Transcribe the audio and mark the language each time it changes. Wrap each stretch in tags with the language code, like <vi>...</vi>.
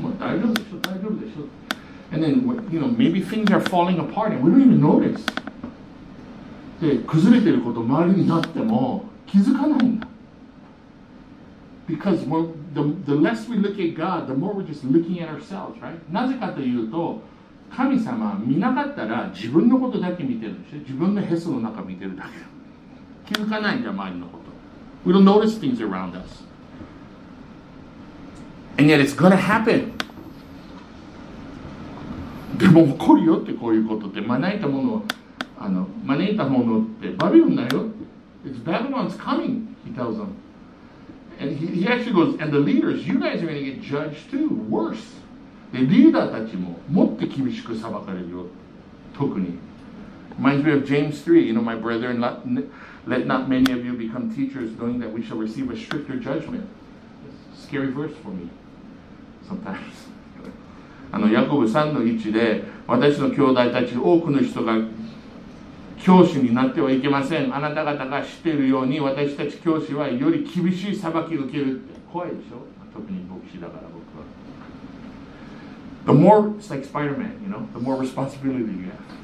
<ja>もう大丈夫でしょ、大丈夫でしょ。</ja> <en>And then, you know, maybe things are falling apart and we don't even notice.</en> <ja>で崩れてること周りになっても気づかないんだ。</ja> <en>Because the less we look at God, the more we're just looking at ourselves, right?</en> <ja>なぜかというと、神様見なかったら自分のことだけ見てるんでしょ。自分のへその中見てるだけ。気づかないんだ周りのこと。</ja> <en>We don't notice things around us. And yet it's gonna happen.</en> <ja>でも起こるよってこういうことって、招いたものは。あの招いたものってバビロンだよ。</ja> <en>It's Babylon's coming, he tells them. And he actually goes, and the leaders, you guys are going to get judged too, worse.</en> <ja>で、リーダーたちももっと厳しく裁かれるよ。特に。</ja> <en>Reminds me of James 3, you know, my brethren, let not many of you become teachers, knowing that we shall receive a stricter judgment. Scary verse for me, sometimes.</en> <ja>あのヤコブ3の1で、私の兄弟たち多くの人が教師になってはいけません。あなた方が知っているように、私たち教師はより厳しい裁きを受けるって怖いでしょ。特に牧師だから僕は。</ja> <en>The more it's like Spider-Man, you know, the more responsibility you have.</en>